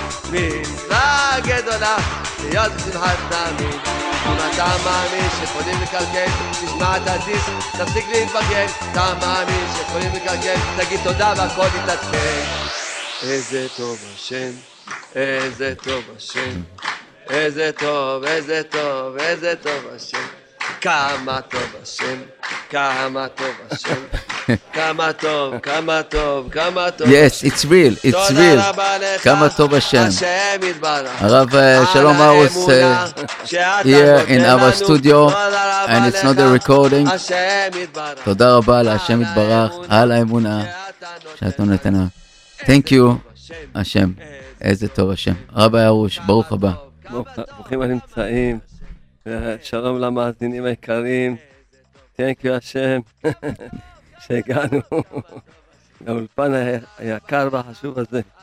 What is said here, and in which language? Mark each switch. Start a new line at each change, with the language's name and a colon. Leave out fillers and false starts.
Hebrew: מצווה גדולה להיות בשמחת תמיד אם אתה מאמין שיכולים לקלקל תשמע את הדיסק תפסיק להתבגן אתה מאמין שיכולים לקלקל תגיד תודה והכל יתעדכן איזה טוב השם איזה טוב השם איזה טוב, איזה טוב, איזה טוב השם כמה טוב השם כמה טוב השם כמה טוב, כמה טוב, כמה טוב
English: Yes, it's real, it's real
Hebrew: כמה טוב השם השם יתברך
English: הרב שלום ארוס here in our studio and it's not a recording
Hebrew: השם יתברך תודה רבה להשם יתברך על האמונה שאתה נתנה
English: Thank you,
Hebrew: השם איזה טוב השם רבי ארוש, ברוך הבא ברוכים הנמצאים, שלום למאזינים היקרים,
English: Thank you
Hebrew: השם, שהגענו לאולפן היקר והחשוב הזה.